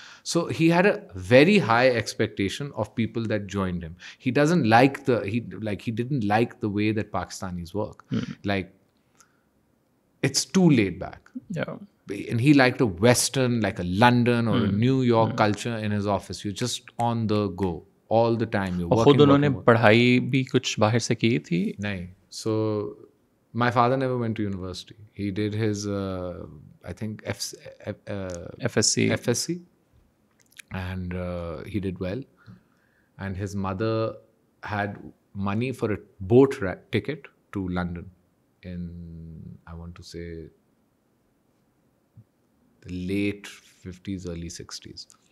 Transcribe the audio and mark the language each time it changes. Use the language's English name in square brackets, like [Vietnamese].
[English] So he had a very high expectation of people that joined him. He doesn't like the, he didn't like the way that Pakistanis work. Like, it's too laid back. Yeah. And he liked a Western, like a London or a New York culture in his office. You're just on the go all the time. You're working. [Hindi] खुद उन्होंने पढ़ाई भी कुछ बाहर से की थी? नहीं. [English] So my father never went to university. He did his, I think, FSC. And he did well. And his mother had money for a boat ticket to London in, I want to say, the late 50s, early 60s.